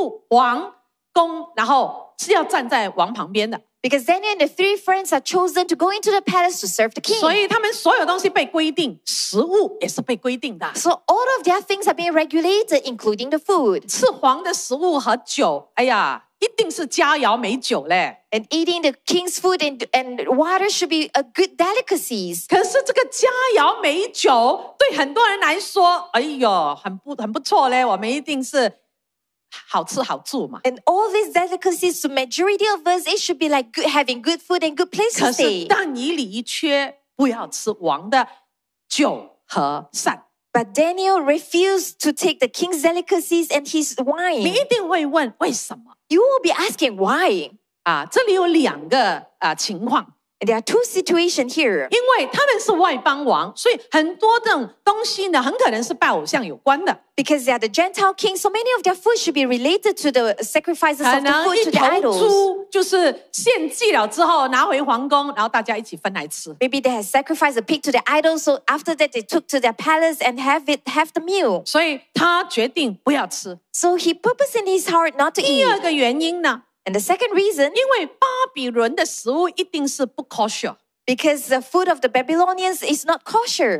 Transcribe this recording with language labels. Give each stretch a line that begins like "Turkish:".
Chinese: 因为但以理跟那三个朋友被选入王宫, 然后是要站在王旁边的。
English: Because Daniel and the three friends are chosen to go into the palace to serve the king.
Chinese: 所以他们所有东西被规定, 食物也是被规定的。
English: So all of their things are being regulated, including the food.
Chinese: 吃皇的食物和酒, 哎呀, 一定是佳肴美酒嘞。
English: And eating the king's food and water should be a good delicacies.
Chinese: 可是这个佳肴美酒对很多人来说, 哎呦, 很不错嘞, 我们一定是, 好吃好住嘛。
English: And all these delicacies, the majority of us, it should be like good, having good food and good places to stay.
Chinese: 可是但以理却不要吃王的酒和膳。
English: But Daniel refused to take the king's delicacies and his wine.
Chinese: 你一定会问为什么？
English: You will be asking why.
Chinese: 啊，这里有两个啊情况。
English: There are two situations here.
Chinese: 因为他们是外邦王，所以很多这种东西呢，很可能是拜偶像有关的。
English: Because they are the Gentile king, so many of their food should be related to the sacrifices of the food to the idols.
Chinese: 可能一头猪就是献祭了之后拿回皇宫，然后大家一起分来吃。
English: Maybe they had sacrificed a pig to the idols, so after that they took to their palace and have the meal.
Chinese: 所以他决定不要吃。
English: So he purposed in his heart not to eat.
Chinese: 第二个原因呢？
English: And the second reason,
Chinese: 因为巴比伦的食物一定是不 kosher,
English: because the food of the Babylonians is not kosher.